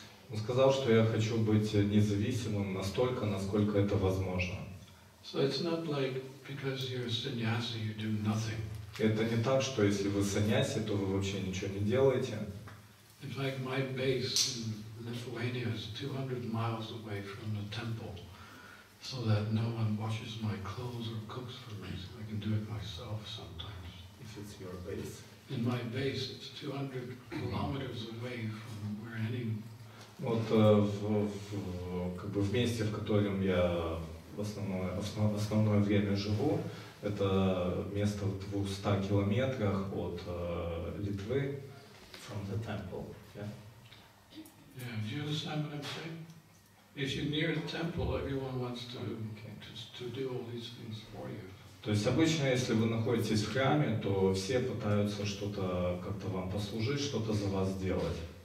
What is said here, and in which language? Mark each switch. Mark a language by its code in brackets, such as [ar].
[ru] Он сказал, что я хочу быть независимым настолько, насколько это возможно. [en] So it's not like because you're a sannyasi you do nothing. [ru] Это не так, что если вы саньяси, то вы вообще ничего не делаете. [en] In fact, my base in Lithuania is 200 miles away from the temple, so that no one washes my clothes or cooks for me. I can do it myself sometimes. If it's your base. In my base, it's 200 kilometers away from where any. [ru] Вот как бы в месте, в котором я в основное время живу, это место в 200 километрах от Литвы. [en] From the temple. Yeah. Yeah. Do you understand what I'm saying? If you're near the temple, everyone wants to to do all these things for you. [ru] То есть обычно, если вы находитесь в храме, то все пытаются что-то как-то вам послужить, что-то за вас сделать.